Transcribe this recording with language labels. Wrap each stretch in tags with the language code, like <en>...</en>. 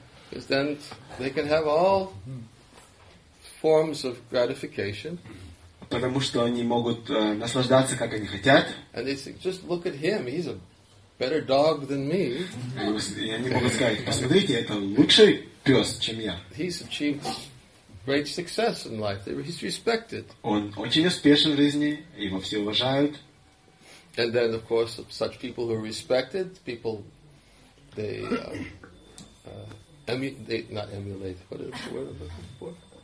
<en>Because then they can have all forms of gratification.</en> <ru>Потому что они могут наслаждаться, как они хотят.</ru> <en>And they say, just look at him, he's a better dog than me.</en> <ru>И они могут сказать, посмотрите, это лучший пес, чем я.</ru> <en>He's achieved great success in life. He's respected.</en> <ru>Он очень успешен в жизни, его все уважают.</ru> <en>And then, of course, such people who are respected, people, they, emulate, not emulate, what is the word I'm looking for?</en>